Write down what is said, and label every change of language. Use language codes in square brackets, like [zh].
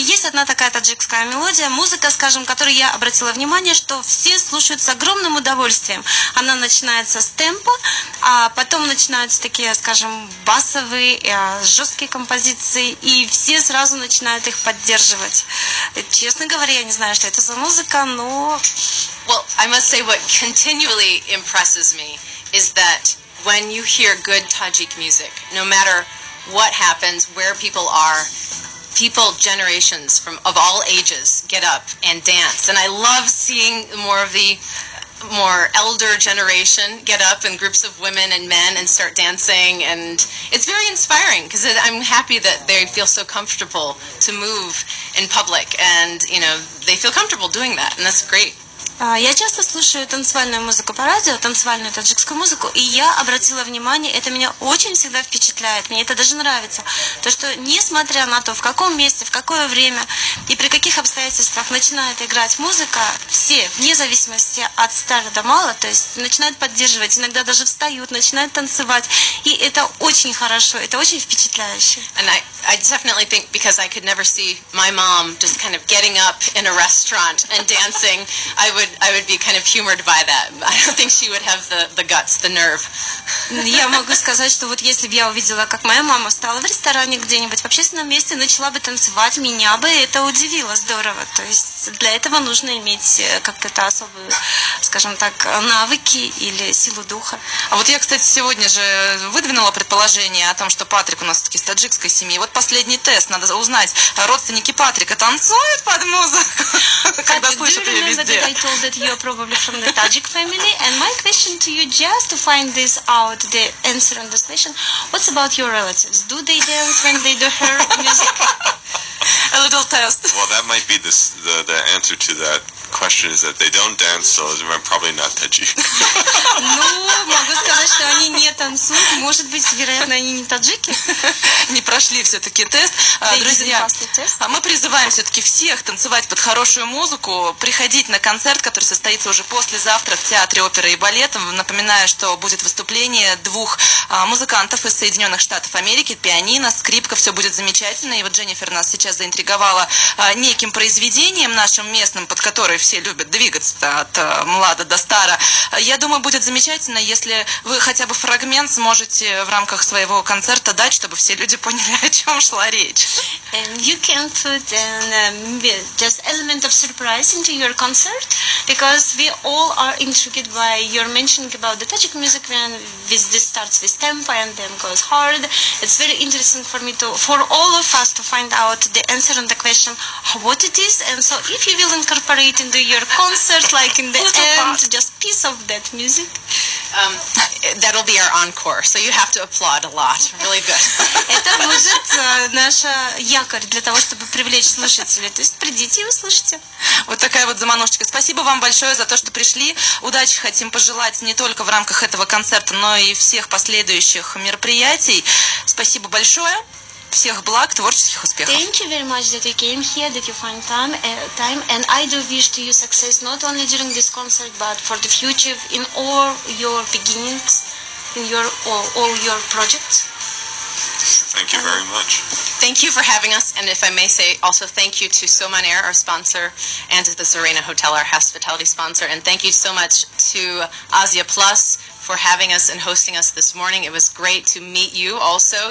[ru] Есть одна такая таджикская мелодия, музыка, скажем, которой я обратила внимание, что все слушают с огромным удовольствием. Она начинается с темпа, а потом начинаются такие, скажем, басовые, жесткие композиции, и все сразу начинают их поддерживать. И, честно говоря, я не знаю, что это за музыка, но... [en] Well, I must say what continually impresses me is that when you hear good Tajik music, no matter what happens, where people are, people, generations of all ages, get up and dance. And I love seeing more of the more elder generation get up in groups of women and men and start dancing. And it's very inspiring because I'm happy that they feel so comfortable to move in public. And, you know, they feel comfortable doing that. And that's great. [ru] Я часто слушаю танцевальную музыку по радио, танцевальную таджикскую музыку, и я обратила внимание, это меня очень всегда впечатляет, мне это даже нравится, то, что несмотря на то, в каком месте, в какое время и при каких обстоятельствах начинает играть музыка, все, вне зависимости от старого до мала, то есть начинают поддерживать, иногда даже встают, начинают танцевать, и это очень хорошо, это очень впечатляюще. [en] And I definitely think because I could never see my mom just kind of getting up in a restaurant and dancing, I would be kind of humored by that. I don't think she would have the guts, the nerve. [ru] Я могу сказать, что вот если бы я увидела, как моя мама стала в ресторане где-нибудь в общественном месте, начала бы танцевать, меня бы это удивило здорово. То есть для этого нужно иметь как-то особые, скажем так, навыки или силу духа. А вот я, кстати, сегодня же выдвинула предположение о том, что Патрик у нас таки из таджикской семьи. Вот последний тест, надо узнать, родственники Патрика танцуют под музыку, когда слышат ее везде. [en] I told that you are probably from the Tajik family, and my question to you, just to find this out, the answer on this question, what's about your relatives? Do they dance when they do her music? A little test. Well, that might be the answer to that question, is that they don't dance, so they're probably not Tajik. [ru] Ну, могу сказать, что они не танцуют, может быть, вероятно, они не таджики. Не прошли все-таки тест. Друзья, мы призываем все-таки всех танцевать под хорошую музыку, приходить на концерт, который состоится уже послезавтра в Театре оперы и балета. Напоминаю, что будет выступление двух музыкантов из Соединенных Штатов Америки, пианино, скрипка, все будет замечательно. И вот Дженнифер нас сейчас заинтриговала неким произведением нашим местным, под которое все любят двигаться от млада до стара. Я думаю, будет замечательно, если вы хотя бы фрагмент сможете в рамках своего концерта дать, чтобы все люди поняли, о чем шла речь. [en] You can put just element of surprise into your concert, because we all are intrigued by your mentioning about the Tajik music, when this starts with tempo and then goes hard. It's very interesting for all of us to find out the answer on the question what it is. And so if you will incorporate into your concert, like in the end, just piece of that music. That'll be our encore, so you have to applaud a lot. Really good. [ru] Это будет наша якорь для того, чтобы привлечь слушателей. То есть придите и услышите. Вот такая вот заманушечка. Спасибо вам большое за то, что пришли. Удачи хотим пожелать не только в рамках этого концерта, но и всех последующих мероприятий. Спасибо большое. Всех благ, творческих успехов. [en] Thank you very much that you came here, that you find time, and I do wish to you success not only during this concert, but for the future in all your beginnings, in your all your projects. Thank you very much. Thank you for having us, and if I may say also thank you to Soman Air, our sponsor, and to the Serena Hotel, our hospitality sponsor, and thank you so much to Asia Plus for having us and hosting us this morning. It was great to meet you also.